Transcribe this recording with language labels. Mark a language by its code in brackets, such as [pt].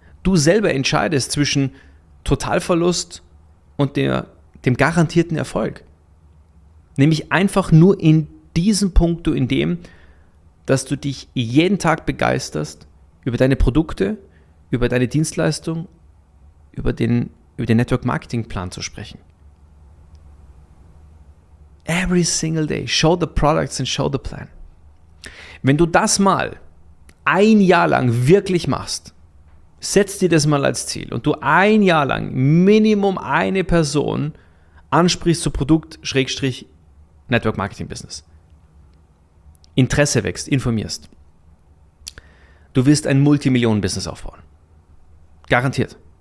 [de] Du selber entscheidest zwischen Totalverlust und dem garantierten Erfolg. Nämlich einfach nur in diesem Punkt, in dem, dass du dich jeden Tag begeisterst über deine Produkte, über deine Dienstleistung, über den Network-Marketing-Plan zu sprechen. [en] Every single day, show the products and show the plan. [de] Wenn du das mal ein Jahr lang wirklich machst, setz dir das mal als Ziel und du ein Jahr lang Minimum eine Person ansprichst zu Produkt-Network-Marketing-Business. Interesse wächst, informierst. Du wirst ein Multimillionen-Business aufbauen. Garantiert.